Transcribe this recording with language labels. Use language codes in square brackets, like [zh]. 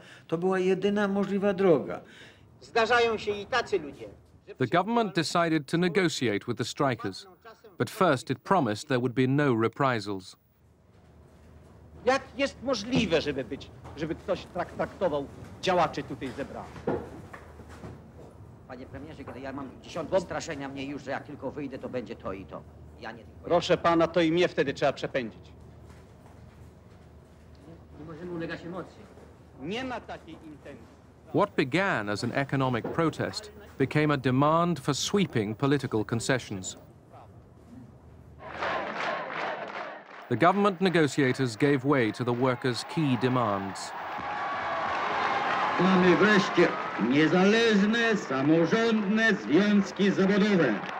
[en] The government decided to negotiate with the strikers, but first it promised there would be no reprisals. [pl] Jak jest możliwe, żeby być, żeby ktoś traktował działaczy tutaj zebrał? Panie premierze, kiedy ja mam dziesiątki straszenia mnie już, że jak tylko wyjdę, to będzie to i to. Ja nie. Proszę pana, to i mnie wtedy trzeba przepędzić. Nie możemy ulegać emocji. Nie ma takiej intencji. [en] What began as an economic protest became a demand for sweeping political concessions. The government negotiators gave way to the workers' key demands. [pl] Mamy wreszcie niezależne, samorządne związki zawodowe.